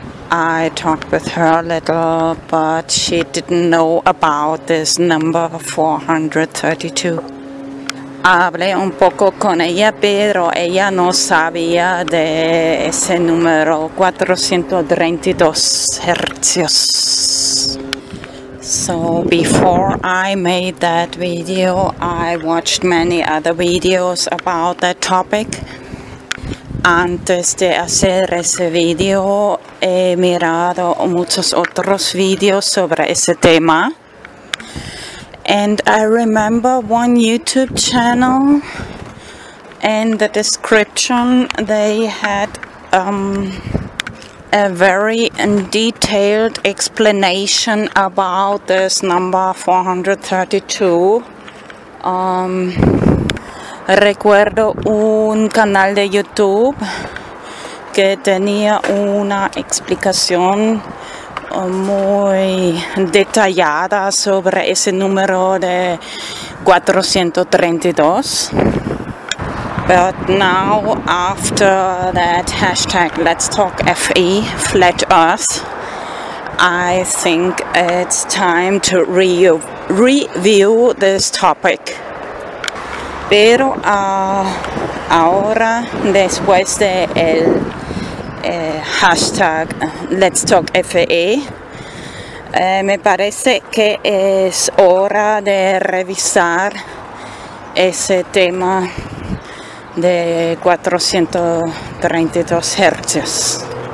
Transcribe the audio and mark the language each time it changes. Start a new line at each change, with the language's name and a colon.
English: I talked with her a little, but she didn't know about this number 432.
Spanish: Hablé un poco con ella, pero ella no sabía de ese número 432 Hz.
English: So before I made that video, I watched many other videos about that topic.
Spanish: Antes de hacer ese video, he mirado muchos otros videos sobre ese tema.
English: And I remember one YouTube channel. In the description, they had a very detailed explanation about this number 432.
Spanish: Recuerdo un canal de YouTube que tenía una explicación muy detallada sobre ese número de 432.
English: But now, after that hashtag LetsTalkFE, Flat Earth, I think it's time to review this topic.
Spanish: Pero ahora, después de el hashtag LetsTalkFE, me parece que es hora de revisar ese tema de 432 Hz.